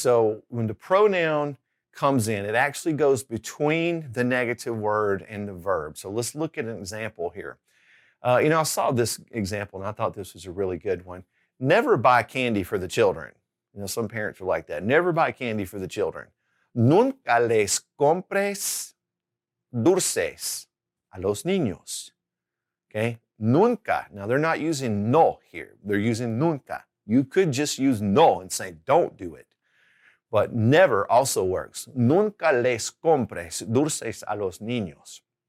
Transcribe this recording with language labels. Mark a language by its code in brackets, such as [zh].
[en] So when the pronoun comes in, it actually goes between the negative word and the verb. So let's look at an example here. I saw this example, and I thought this was a really good one. Never buy candy for the children. You know, some parents are like that. Never buy candy for the children. [es] Nunca les compres dulces a los niños. Okay, nunca. [en] Now they're not using no here, they're using nunca. You could just use no and say don't do it, but never also works. [es] Nunca les compres dulces a los niños.